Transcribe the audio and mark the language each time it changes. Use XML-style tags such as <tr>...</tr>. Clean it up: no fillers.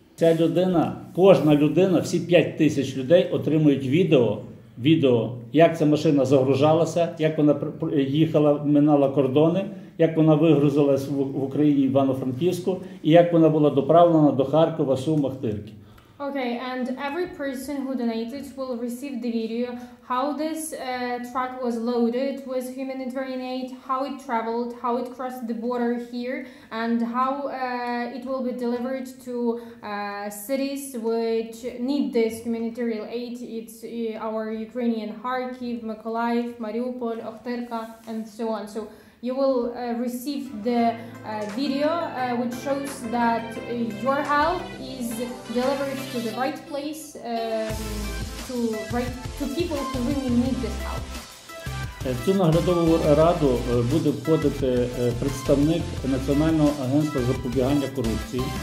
<uk>Ця людина, кожна людина, всі 5 тисяч людей отримують відео, як ця машина загружалася, як вона їхала, минала кордони, як вона вигрузилась в Україні, в Івано-Франківську, і як вона була доправлена до Харкова, Суми, Махтирки.</uk> <en>Okay, and every person who donated will receive the video how this truck was loaded with humanitarian aid, how it traveled, how it crossed the border here, and how it will be delivered to cities which need this humanitarian aid. It's our Ukrainian Kharkiv, Mykolaiv, Mariupol, Okhtyrka, and so on. So you will receive the video which shows that your help is delivered to the right place to people who really need this help.</en> <uk>В цю наглядову раду буде входити представник Національного агентства запобігання корупції.</uk>